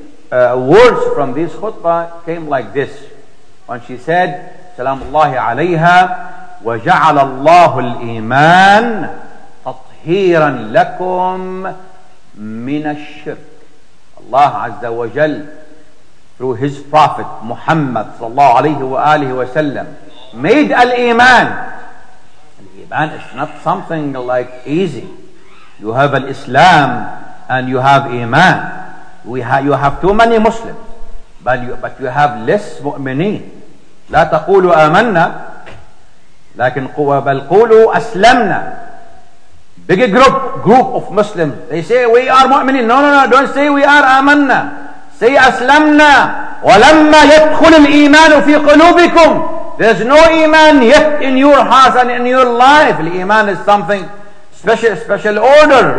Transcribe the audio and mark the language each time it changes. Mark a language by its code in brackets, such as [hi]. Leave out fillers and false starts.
[en] Words from this khutbah came like this, when she said salamullah alayha, wa ja'ala Allahu al-Iman [ar] تطهيرا لكم من الشرك. [en] الله عز وجل through his prophet Muhammad [ar] صلى الله عليه وآله وسلم [en] made الإيمان. الإيمان is not something like easy. You have الإسلام and you have إيمان. You have too many Muslims, but you have less مؤمنين. [ar] لا تقولوا آمنا لكن قوة بل قولوا أسلمنا. [en] Big group of Muslims. They say, we are mu'minin. No, don't say we are amanna. Say aslamna. [ar] وَلَمَّا يَدْخُلِ الْإِيمَانُ فِي قُلُوبِكُمْ. [en] There's no iman yet in your hearts and in your life. Al-Iman is something special order.